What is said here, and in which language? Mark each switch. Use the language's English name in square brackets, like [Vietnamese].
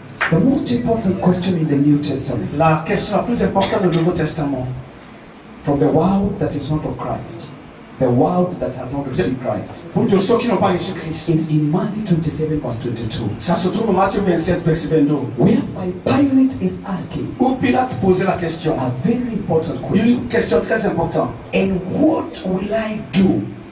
[English] The most important question in the New Testament. [French] La question la plus importante dans le Nouveau Testament. [English] From the world that is not of Christ. The world that has not received Christ. [French] Pour tous ceux qui n'ont pas reçu Christ. [English] Is in Matthew 27 verse 22. [French] Ça se trouve en Matthieu 27 verset 22. [English] Whereby Pilate is asking. [French] Où Pilate posait la question. [English] A very important question. [French] Une question très importante. [English] And what will I do?